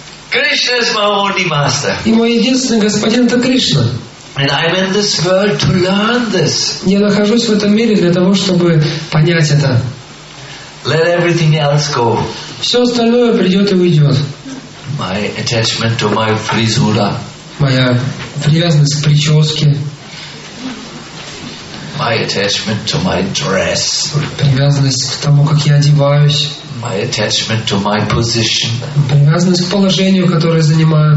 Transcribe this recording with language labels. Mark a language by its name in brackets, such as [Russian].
[English] Krishna is my only master. [Russian] И мой единственный Господин — это Кришна. [English] And I'm in this world to learn this. [Russian] Я нахожусь в этом мире для того, чтобы понять это. [English] Let everything else go. [Russian] Все остальное придет и уйдет. [English] My attachment to my frizura. [Russian] Моя привязанность к прическе. [English] My attachment to my dress. [Russian] Привязанность к тому, как я одеваюсь. [English] My attachment to my position. [Russian] Привязанность к положению, которое занимаю.